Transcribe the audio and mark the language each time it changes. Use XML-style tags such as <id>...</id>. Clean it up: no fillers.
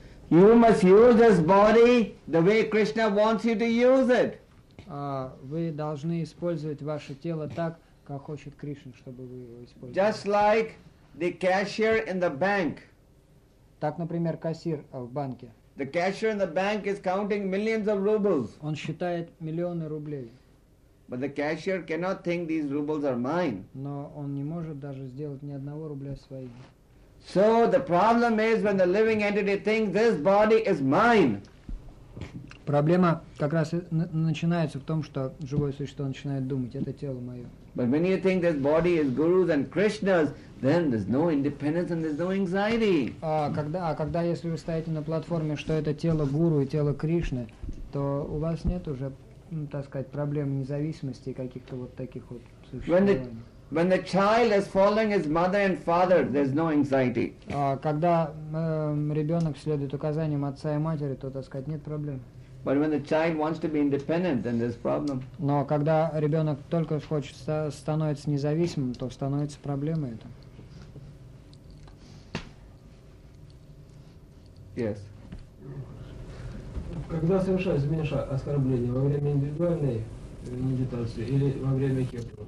<en>You must use this body the way Krishna wants you to use it.</en> <ru>Вы должны использовать ваше тело так, как хочет Кришна, чтобы вы его использовали.</ru> <en>Just like the cashier in the bank.</en> <ru>Так, например, кассир в банке.</ru> <en>The cashier in the bank is counting millions of rubles.</en> <ru>Он считает миллионы рублей.</ru> <en>But the cashier cannot think these rubles are mine.</en> <ru>Но он не может даже сделать ни одного рубля своим.</ru> <en>So the problem is when the living entity thinks this body is mine.</en> <ru>Проблема как раз начинается в том, что живое существо начинает думать, это тело мое.</ru> <en>But when you think this body is Guru's and Krishna's, then there's no independence and there's no anxiety.</en> <ru>А когда если вы стоите на платформе, что это тело Гуру и тело Кришны, то у вас нет уже, так сказать, проблем независимости и каких-то вот таких вот существ.</ru> <en>When the child is following his mother and father, there's no anxiety.</en> <ru>Когда ребенок следует указаниям отца и матери, то, так сказать, нет проблем.</ru> <en>But when the child wants to be independent, then there's problem.</en> <ru>Но когда ребенок только хочет становится независимым, то становится проблема это.</ru> <en>Yes.</en> <ru>Когда совершаешь меньше оскорбления во время индивидуальной медитации или во время кирпича?</ru>